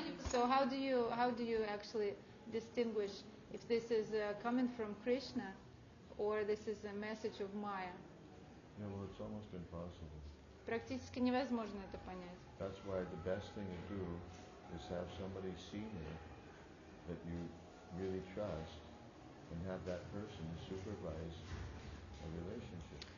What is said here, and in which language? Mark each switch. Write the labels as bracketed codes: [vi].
[en] So how do you actually distinguish if this is coming from Krishna or this is a message of Maya? Yeah, well, it's almost impossible. [ru] Практически невозможно это понять. [en] That's why the best thing to do is have somebody senior that you really trust and have that person supervise a relationship.